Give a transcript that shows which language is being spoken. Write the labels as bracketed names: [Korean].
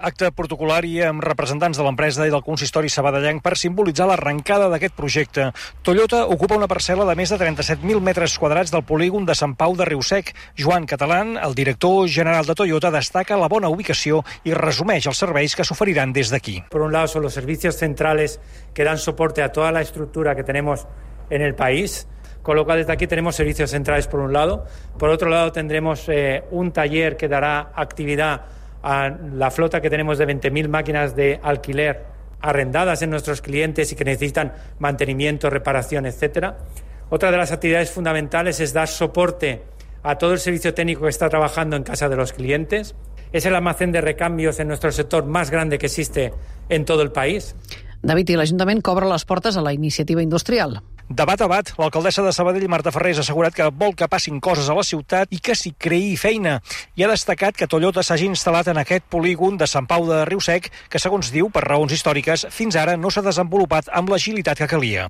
[Catalan] Acte protocolari amb representants de l'empresa i del consistori sabadellenc per simbolitzar l'arrencada d'aquest projecte. Toyota ocupa una parcel·la de més de 37.000 metres quadrats del polígon de Sant Pau de Riusec. Joan Catalán, el director general de Toyota, destaca la bona ubicació i resumeix els serveis que s'oferiran des d'aquí. [Spanish] Por un lado son los servicios centrales que dan soporte a toda la estructura que tenemos en el país, con lo cual desde aquí tenemos servicios centrales por un lado. Por otro lado tendremos un taller que dará actividad a la flota que tenemos de 20.000 máquinas de alquiler arrendadas en nuestros clientes y que necesitan mantenimiento, reparación, etcétera. Otra de las actividades fundamentales es dar soporte a todo el servicio técnico que está trabajando en casa de los clientes. Es el almacén de recambios en nuestro sector más grande que existe en todo el país. [Catalan] David, i l'Ajuntament cobra les portes a la iniciativa industrial. De bat a bat, l'alcaldessa de Sabadell, Marta Ferrés, ha assegurat que vol que passin coses a la ciutat i que s'hi creï feina. I ha destacat que Toyota s'hagi instal·lat en aquest polígon de Sant Pau de Riusec, que, segons diu, per raons històriques, fins ara no s'ha desenvolupat amb l'agilitat que calia.